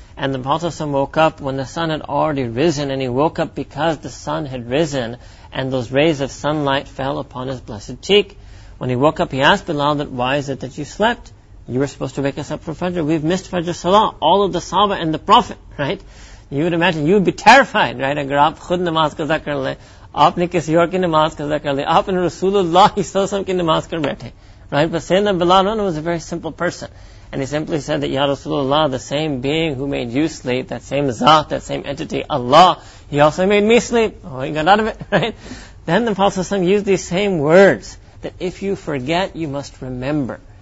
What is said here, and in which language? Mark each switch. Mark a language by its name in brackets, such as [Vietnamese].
[English] And the Prophet ﷺ woke up when the sun had already risen, and he woke up because the sun had risen and those rays of sunlight fell upon his blessed cheek. When he woke up, he asked Bilal, that why is it that you slept? You were supposed to wake us up for Fajr. We've missed Fajr Salah, all of the Sahaba and the Prophet, right? You would imagine, you would be terrified, right? [Urdu] اگر آپ خود نماز قضا کر لے، آپنے کسی اور کی نماز قضا کر لے، آپنے رسول اللہ صلی اللہ علیہ وسلم کی نماز کر بیٹھے، right? [English] But Sayyidina Bilal was a very simple person. And he simply said that, Ya Rasulullah, the same being who made you sleep, that same Zat, that same entity, Allah, He also made me sleep. Oh, he got out of it, right? Then the Prophet ﷺ used these same words, that if you forget, you must remember.